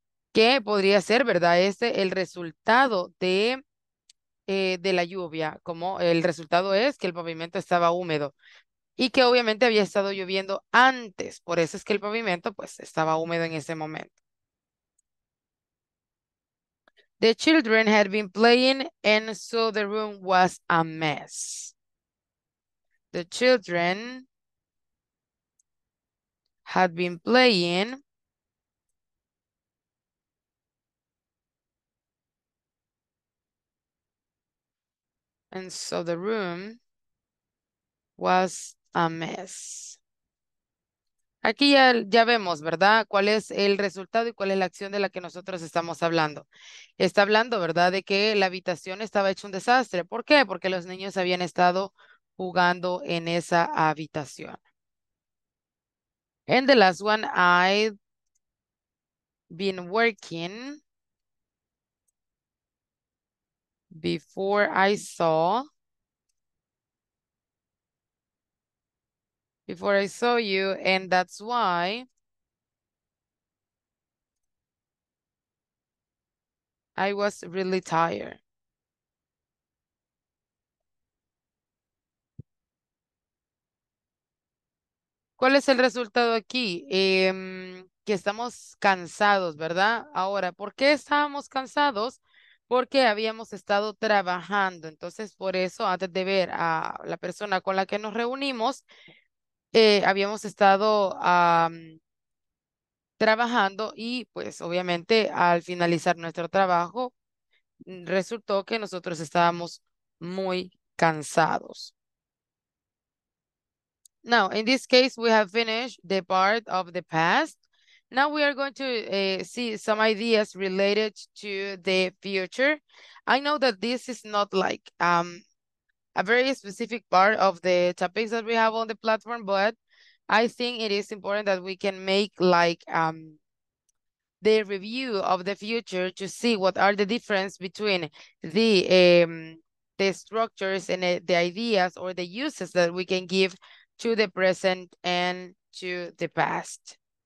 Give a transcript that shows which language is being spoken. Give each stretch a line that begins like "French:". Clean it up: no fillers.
Spanish: ¿Qué podría ser, verdad? Este el resultado de la lluvia, como el resultado es que el pavimento estaba húmedo. Y que obviamente había estado lloviendo antes, por eso es que el pavimento pues estaba húmedo en ese momento.
English: The children had been playing and so the room was a mess. The children had been playing and so the room was a mess.
Spanish: Aquí ya vemos, ¿verdad? ¿Cuál es el resultado y cuál es la acción de la que nosotros estamos hablando? Está hablando, ¿verdad? De que la habitación estaba hecha un desastre. ¿Por qué? Porque los niños habían estado jugando en esa habitación.
English: And the last one, I've been working before I saw. Before I saw you, and that's why I was really tired.
Spanish: ¿Cuál es el resultado aquí? Que estamos cansados, ¿verdad? Ahora, ¿por qué estábamos cansados? Porque habíamos estado trabajando. Entonces, por eso, antes de ver a la persona con la que nos reunimos, habíamos estado trabajando y pues obviamente al finalizar nuestro trabajo resultó que nosotros estábamos muy cansados.
English: Now, in this case, we have finished the part of the past. Now we are going to see some ideas related to the future. I know that this is not like a very specific part of the topics that we have on the platform, but I think it is important that we can make like the review of the future to see what are the difference between the structures and the ideas or the uses that we can give to the present and to the past.